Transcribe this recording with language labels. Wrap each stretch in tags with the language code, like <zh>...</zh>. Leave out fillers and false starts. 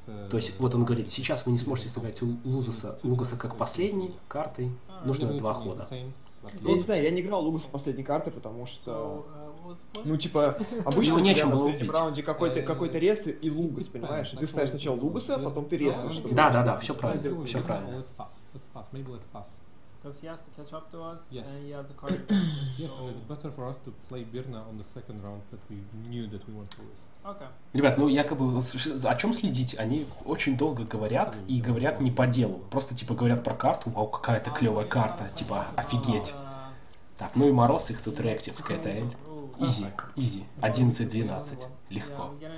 <ru>То есть, вот он говорит, сейчас вы не сможете сыграть Лугаса как последней картой, нужно два хода. Ну, не знаю, я не играл Лугаса последней картой, потому что, ну, типа, обычно... Его нечем было убить. В раунде какой-то рез и Лугас, понимаешь? И ты ставишь сначала Лугаса, потом ты рез. Да-да-да, все правильно, все правильно.</ru> <en>Maybe let's pass. Because he has to catch up to us, yes. And he has a card. Yes, and it's better for us to play Birna on the second round that we knew that we want to lose. Okay.</en> <ru>Ребят, ну якобы о чем следить? Они очень долго говорят и говорят не по делу. Просто типа говорят про карту, вау, какая-то клевая карта, типа офигеть. Так, ну и мороз их тут реактивская тайль. Изи, изи. 11-12. Легко.</ru>